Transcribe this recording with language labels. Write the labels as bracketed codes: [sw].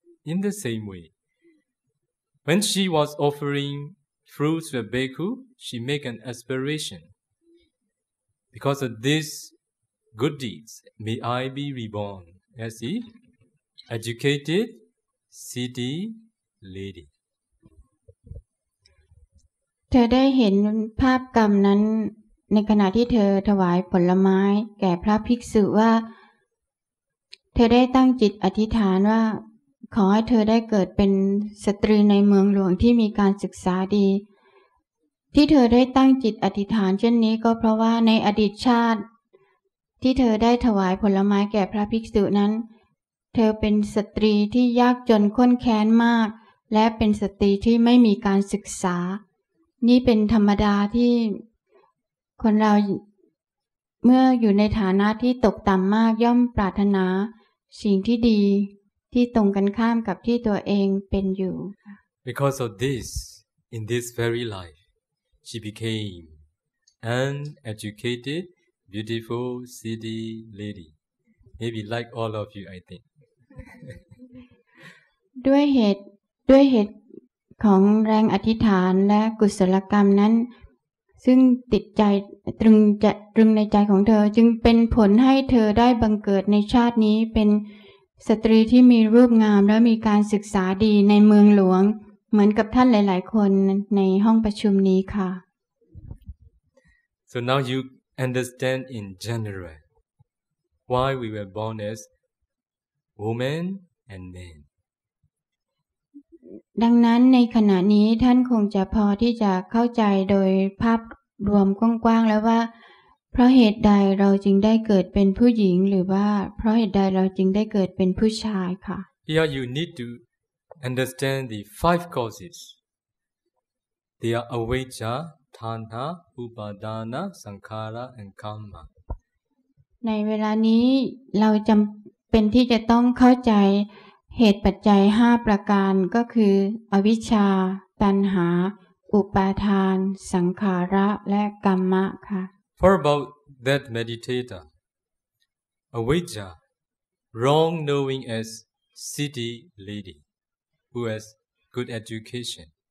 [en] In the same way, when she was offering fruit to a bhikkhu, she made an aspiration. Because of these good deeds, may I be reborn as an educated city lady. [th] เธอได้เห็นภาพกรรมนั้นในขณะที่เธอถวายผลไม้แก่พระภิกษุว่าเธอได้ตั้งจิตอธิษฐานว่าขอให้เธอได้เกิดเป็นสตรีในเมืองหลวงที่มีการศึกษาดี ที่เธอได้ตั้งจิตอธิษฐานเช่นนี้ก็เพราะว่าในอดีตชาติที่เธอได้ถวายผลไม้แก่พระภิกษุนั้นเธอเป็นสตรีที่ยากจนข้นแค้นมากและเป็นสตรีที่ไม่มีการศึกษานี่เป็นธรรมดาที่คนเราเมื่ออยู่ในฐานะที่ตกต่ำมากย่อมปรารถนาสิ่งที่ดีที่ตรงกันข้ามกับที่ตัวเองเป็นอยู่ [en] Because of this, in this very life, she became an educated, beautiful city lady. Maybe like all of you, I think. [th] ด้วยเหตุของแรงอธิษฐานและกุศลกรรมนั้นซึ่งติดใจตรึงในใจของเธอจึงเป็นผลให้เธอได้บังเกิดในชาตินี้เป็นสตรีที่มีรูปงามและมีการศึกษาดีในเมืองหลวงเหมือนกับท่านหลายๆคนในห้องประชุมนี้ค่ะ [en] So now you understand in general why we were born as women and men [th] ดังนั้นในขณะนี้ท่านคงจะพอที่จะเข้าใจโดยภาพรวมกว้างๆแล้วว่าเพราะเหตุใดเราจึงได้เกิดเป็นผู้หญิงหรือว่าเพราะเหตุใดเราจึงได้เกิดเป็นผู้ชายค่ะ [en] Here you need to understand the five causes. They are avijja, tanha, upadana, sankhara and karma. [th] ในเวลานี้เราจำเป็นที่จะต้องเข้าใจเหตุปัจจัย5ประการก็คืออวิชชาตัณหาอุปาทานสังขาระและกรรมะค่ะ [en] For about that meditator avijja wrong knowing as city lady who has good education